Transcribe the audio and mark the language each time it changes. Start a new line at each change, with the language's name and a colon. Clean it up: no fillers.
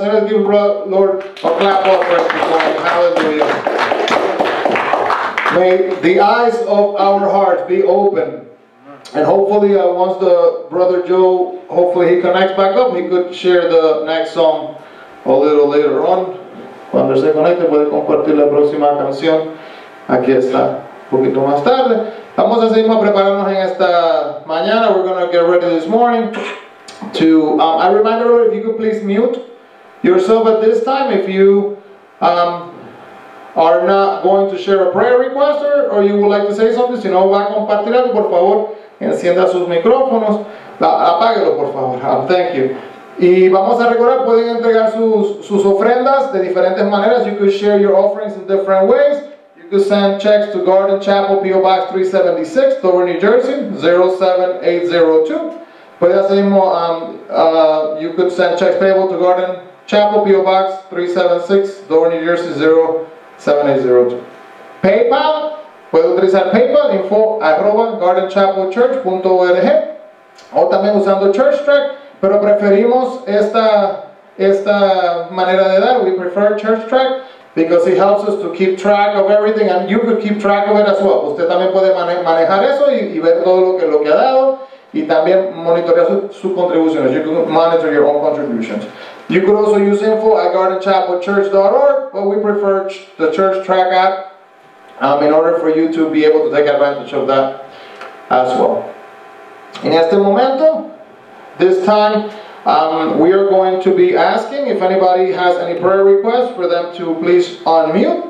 English: Señor, give you, Lord, a clap of praise. Hallelujah. May the eyes of our hearts be open. And hopefully, once the brother Joe, hopefully he connects back up, he could share the next song a little later on.
Spanish: Cuando se conecte, puede compartir la próxima canción. Aquí está, un poquito más tarde. Vamos a seguir preparándonos en esta mañana.
English: We're going to get ready this morning. I remind everybody, if you could please mute yourself at this time. If you are not going to share a prayer request or you would like to say something,
Spanish: si no va a compartir algo, por favor, encienda sus micrófonos. Apáguelo, por favor.
English: Thank you.
Spanish: Y vamos a recordar, pueden entregar sus ofrendas de diferentes maneras.
English: You could share your offerings in different ways. To send checks to Garden Chapel, P.O. Box 376, Thorne, New Jersey, 07802. You could send checks payable to Garden Chapel, P.O. Box 376, Thorne, New Jersey, 07802.
Spanish: PayPal, puede utilizar PayPal, info@gardenchapelchurch.org, o también usando ChurchTrack, pero preferimos esta manera de dar.
English: We prefer ChurchTrack. Because it helps us to keep track of everything, and you could keep track of it as well.
Spanish: Usted también puede manejar eso y ver todo lo que ha dado, y también monitorear sus contribuciones.
English: You could monitor your own contributions. You could also use info@gardenchapelchurch.org, but we prefer the Church Track app in order for you to be able to take advantage of that as well.
Spanish: En este momento,
English: this time, we are going to be asking if anybody has any prayer requests for them to please unmute.